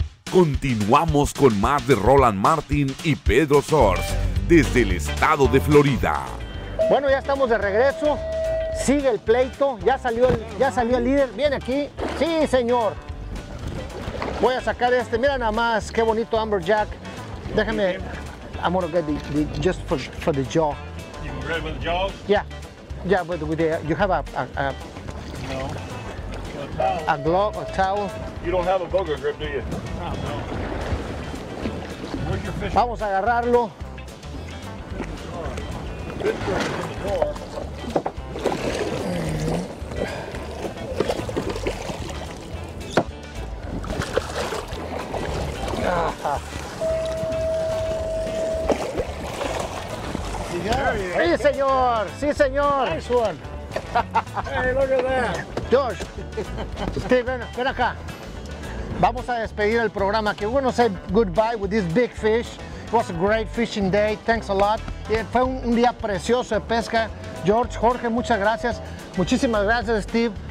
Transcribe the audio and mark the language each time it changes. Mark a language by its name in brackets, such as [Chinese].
[Spanish] Continuamos con más de Roland Martin y Pedro Sors desde el estado de Florida. Bueno, ya estamos de regreso. Sigue el pleito, ya salió el líder, viene aquí, sí señor. Voy a sacar este, mira nada más, qué bonito amberjack. Déjame, [English] I'm gonna get the just for the jaw. You can grab with the jaws? Yeah, yeah, but with the, you have a no, a glove, a towel. You don't have a booger grip, do you? No. Where's your fish? [Spanish] Vamos a agarrarlo. [English] Yeah. [Spanish] Sí, señor. Sí, señor. [English] Nice one. Hey, look at that. [Spanish] George. Steve, ven acá. Vamos a despedir el programa. [English] We're going to say goodbye with this big fish. It was a great fishing day. Thanks a lot. [Spanish] Fue un día precioso de pesca. George, Jorge, muchas gracias. Muchísimas gracias, Steve.